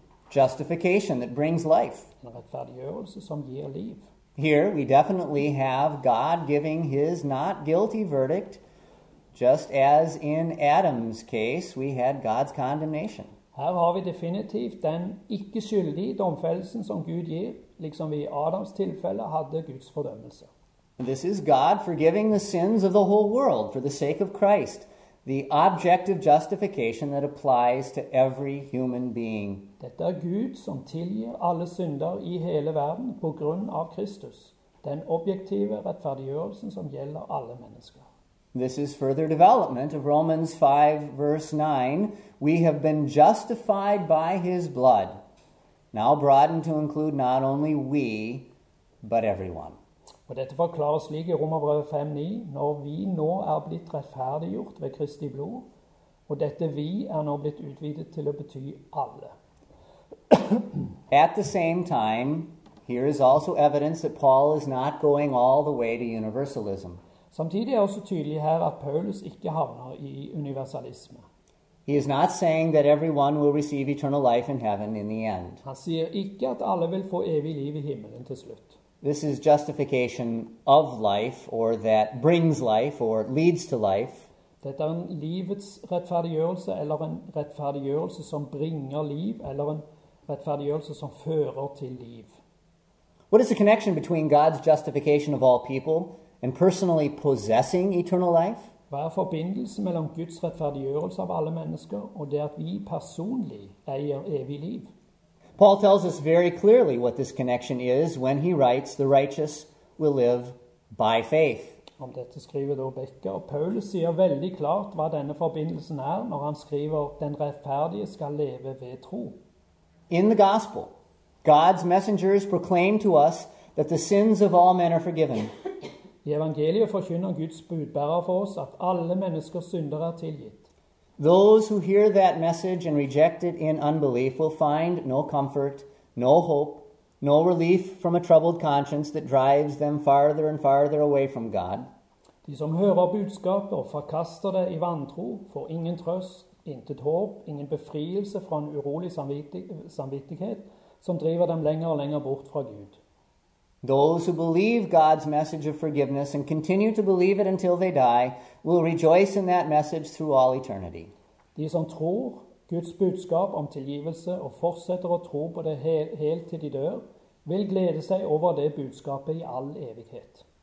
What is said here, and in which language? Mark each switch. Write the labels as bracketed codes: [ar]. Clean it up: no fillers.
[en] Justification that brings life. [no] En rettferdiggjørelse som gir liv. [en] Here we definitely have God giving his not guilty verdict, just as in Adam's case we had God's condemnation. [no] Her har vi definitivt den ikke skyldige domfellelsen som Gud gir, liksom vi i Adams tilfelle hadde Guds fordømmelse. [en] This is God forgiving the sins of the whole world for the sake of Christ, the object of justification that applies to every human being. [no] Dette er Gud som tilgir alle synder i hele verden på grunn av Kristus, den objektive rettferdiggjørelsen som gjelder alle mennesker. [en] This is further development of Romans 5, verse 9. We have been justified by his blood, now broadened to include not only we, but everyone. [no] Og dette forklarer slik i Romerbrevet 5:9, når vi nå blitt rettferdiggjort ved Kristi blod, og dette vi nå blitt utvidet til å bety alle. [en] At the same time, here is also evidence that Paul is not going all the way to universalism. [no] Samtidig også tydelig her at Paulus ikke havner i universalisme. [en] He is not saying that everyone will receive eternal life in heaven in the end. [no] Han sier ikke at alle vil få evig liv i himmelen til slutt. [en] This is justification of life, or that brings life, or leads to life. [no] Dette en livets rettferdiggjørelse, eller en rettferdiggjørelse som bringer liv, eller en rettferdiggjørelse som fører til liv. [en] What is the connection between God's justification of all people and personally possessing eternal life? [no] Hva er forbindelsen mellom Guds rettferdiggjørelse av alle mennesker og det at vi personlig eier evig liv? [en] Paul tells us very clearly what this connection is when he writes, the righteous will live by faith. [no] Om dette skriver da Becker, og Paulus sier veldig klart hva denne forbindelsen når han skriver, den rettferdige skal leve ved tro. [en] In the gospel, God's messengers proclaim to us that the sins of all men are forgiven. [no] I evangeliet forkynner Guds budbærer for oss at alle menneskers synder tilgitt. [en] Those who hear that message and reject it in unbelief will find no comfort, no hope, no relief from a troubled conscience that drives them farther and farther away from God. [no] De som hører budskapet og forkaster det i vantro får ingen trøst, intet håp, ingen befrielse fra en urolig samvittighet som driver dem lenger og lenger bort fra Gud. [en] Those who believe God's message of forgiveness and continue to believe it until they die will rejoice in that message through all eternity. [no] De som tror Guds budskap om tilgivelse og fortsetter å tro på det helt til de dør, vil glede seg over det budskapet i all evighet.